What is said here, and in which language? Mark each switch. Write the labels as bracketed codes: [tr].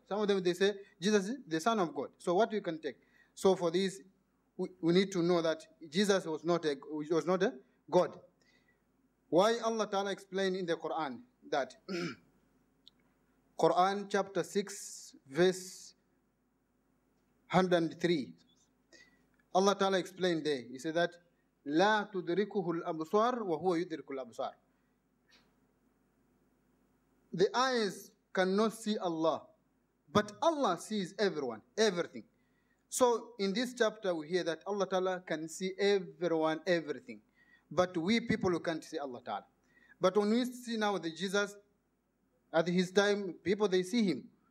[en] Some of them they say Jesus is the Son of God. So what we can take? So for this, we need to know that Jesus was not a God. Why Allah Ta'ala explained in the Quran that Quran chapter 6 verse 103. Allah Ta'ala explained there. He said that [ar] لا تدركه الأبصار وهو يدرك الأبصار. [en] The eyes cannot see Allah, but Allah sees everyone, everything. So in this chapter we hear that Allah Ta'ala can see everyone, everything. But we people who can't see Allah Ta'ala. But when we see now the Jesus, at his time, people, they see him.